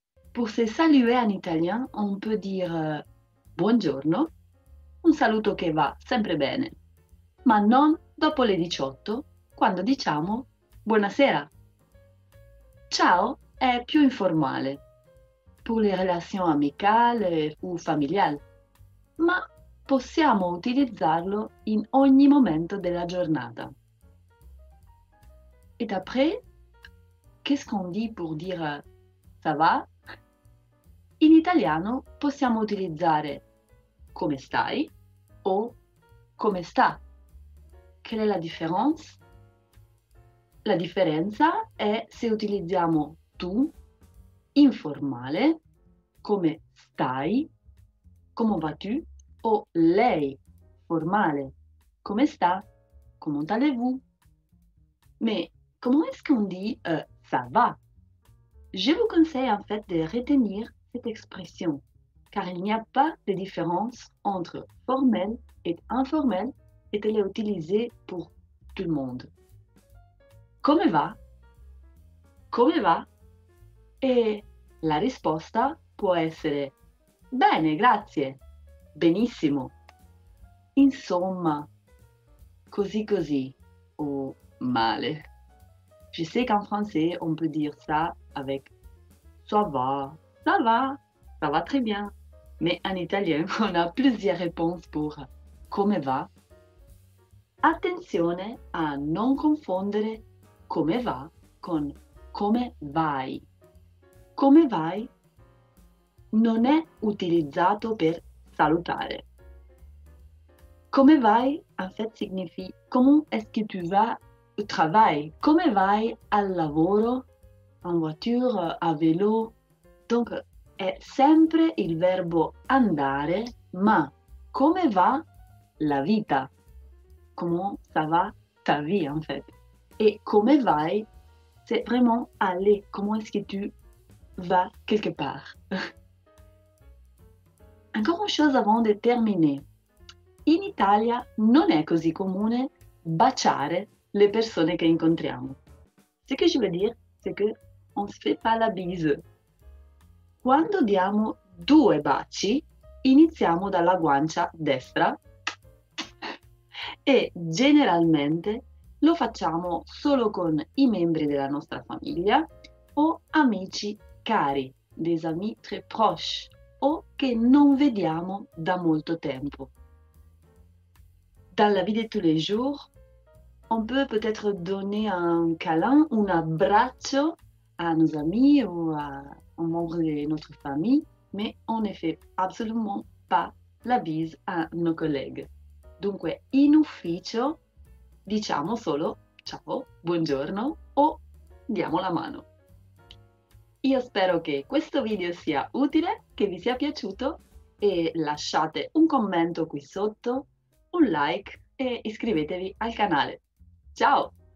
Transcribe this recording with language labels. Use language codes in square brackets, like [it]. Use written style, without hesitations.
[fr] Pour se saluer en italien, on peut dire [it] buongiorno, un saluto che va sempre bene, ma non dopo le 18, quando diciamo buonasera. Ciao è più informale. [fr] Pour les relations amicales ou familiales, [it] ma possiamo utilizzarlo in ogni momento della giornata. [fr] Et après, qu'est-ce qu'on dit pour dire ça va? [it] In italiano possiamo utilizzare come stai o come sta. [fr] Quelle est la différence? [it] La differenza è se utilizziamo tu, informale, come stai? [fr] Come vas-tu? [it] O lei, formale. Come sta? [fr] Comment allez-vous? Mais comment est-ce qu'on dit ça va? Je vous conseille en fait de retenir cette expression, car il n'y a pas de différence entre formel et informel et elle est utilisée pour tout le monde. [it] Come va? Come va? E la risposta può essere bene, grazie, benissimo, insomma, così così o male. [fr] Je sais qu'en français on peut dire ça avec ça va, très bien, mais en italien on a plusieurs réponses pour come va. [it] Attenzione a non confondere come va con come vai. Come vai non è utilizzato per salutare. [fr] Come vai, en fait, significa comment est-ce que tu vas au travail? [it] Come vai al lavoro, [fr] en voiture, a vélo? [it] Donc, è sempre il verbo andare, ma come va la vita? [fr] Comment ça va ta vie, en fait? [it] E come vai, [fr] c'est vraiment aller. Comment est-ce que tu vas quelque part? Encore une chose avant de terminer. [it] In Italia non è così comune baciare le persone che incontriamo. [fr] Ce che je veux dire, c'est que on se fait pas la bise. [it] Quando diamo due baci, iniziamo dalla guancia destra e generalmente lo facciamo solo con i membri della nostra famiglia o amici cari, [fr] des amis très proches, [it] o che non vediamo da molto tempo. [fr] Dans la vie de tous les jours, on peut peut-être donner un câlin, [it] un abbraccio [fr] à nos amis ou à un membre de notre famille, mais on ne fait absolument pas la bise à nos collègues. [it] Dunque, in ufficio, diciamo solo ciao, buongiorno o diamo la mano. Io spero che questo video sia utile, che vi sia piaciuto e lasciate un commento qui sotto, un like e iscrivetevi al canale. Ciao!